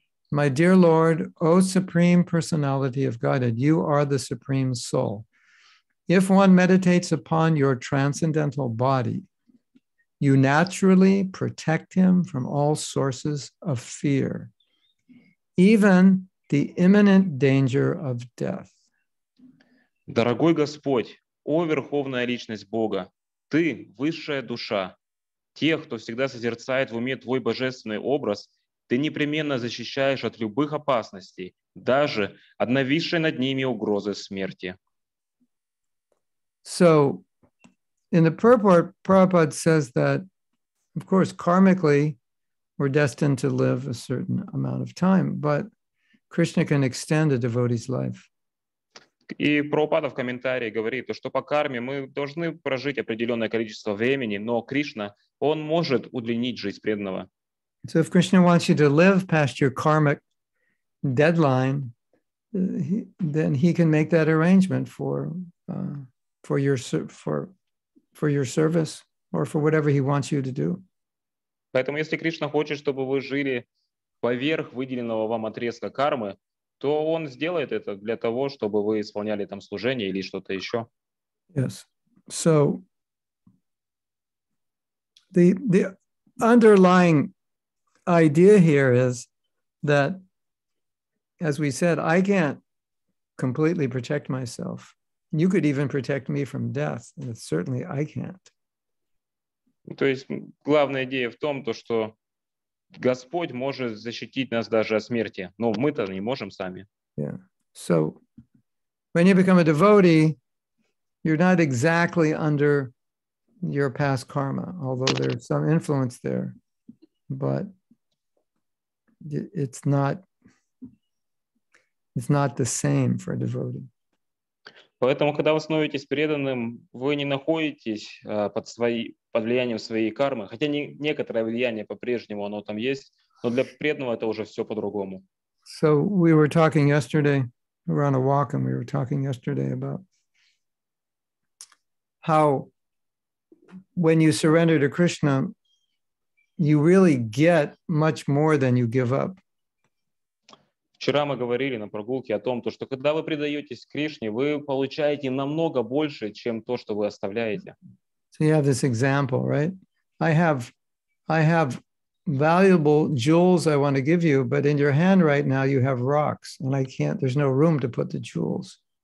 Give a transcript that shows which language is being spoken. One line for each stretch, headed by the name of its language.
English: My dear Lord, O Supreme Personality of Godhead, you are the Supreme Soul. If one meditates upon your transcendental body, you naturally protect him from all sources of fear, even the imminent danger of death.
Russian: Дорогой Господь, о Верховная Личность Бога, ты – Высшая Душа. Тех, кто всегда созерцает в уме твой божественный образ, ты непременно защищаешь от любых опасностей, даже от нависшей над ними угрозы смерти.
English: So, in the purport, Prabhupada says that, of course, karmically, we're destined to live a certain amount of time, but Krishna can extend a devotee's life.
Russian: И Прабхупада в комментарии говорит, что по карме мы должны прожить определенное количество времени, но Кришна, он может удлинить жизнь преданного.
English: So if Krishna wants you to live past your karmic deadline, then he can make that arrangement for your service or for whatever he wants you to do.
Russian: Поэтому если Кришна хочет, чтобы вы жили поверх выделенного вам отрезка кармы, то он сделает это для того, чтобы вы исполняли там служение или что-то еще.
English: Yes. So the underlying idea here is that, as we said, I can't completely protect myself. You could even protect me from death, and certainly I can't.
Russian: То есть главная идея в том, то что Господь может защитить нас даже от смерти, но мы-то не можем сами.
English: Yeah. So when you become a devotee, you're not exactly under your past karma, although there's some influence there, but it's not the same for a devotee.
Russian: Поэтому, когда вы становитесь преданным, вы не находитесь под влиянием своей кармы, хотя некоторое влияние по-прежнему оно там есть, но для преданного это уже все по-другому.
English: So we were talking yesterday, we were on a walk, and we were talking yesterday about how when you surrender to Krishna, you really get much more than you give up.
Russian: Вчера мы говорили на прогулке о том, что когда вы предаетесь Кришне, вы получаете намного больше, чем то, что вы оставляете.
English: So you have this example, right? I have valuable jewels I want to give you, but in your hand right now you have rocks, and I can't, there's no room to put the jewels.